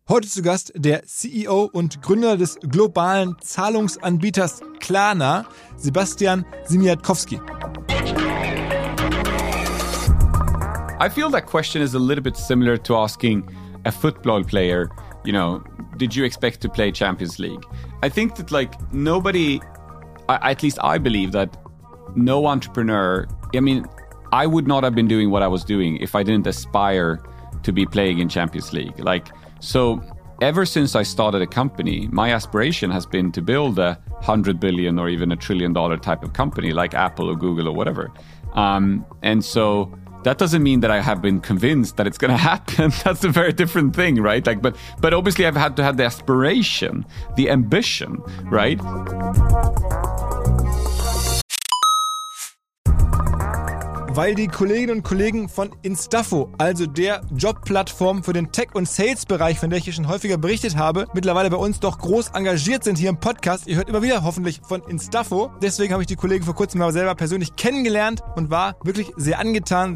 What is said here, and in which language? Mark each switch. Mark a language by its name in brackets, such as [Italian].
[German] Heute zu Gast der CEO und Gründer des globalen Zahlungsanbieters Klarna, Sebastian Siemiatkowski. [English] I feel that question is a little bit similar to asking a football player, you know, did you expect to play Champions League? I think that like nobody, at least I believe that no entrepreneur, I mean, I would not have been doing what I was doing if I didn't aspire to be playing in Champions League. Like, so ever since I started a company, my aspiration has been to build a 100 billion or even a trillion dollar type of company like Apple or Google or whatever. And so that doesn't mean that I have been convinced that it's going to happen. That's a very different thing, right? Like, but obviously I've had to have the aspiration, the ambition, right? [German] Weil die Kolleginnen und Kollegen von Instafo, also der Jobplattform für den Tech- und Sales-Bereich, von der ich hier schon häufiger berichtet habe, mittlerweile bei uns doch groß engagiert sind hier im Podcast. Ihr hört immer wieder hoffentlich von Instafo. Deswegen habe ich die Kollegen vor kurzem aber selber persönlich kennengelernt und war wirklich sehr angetan.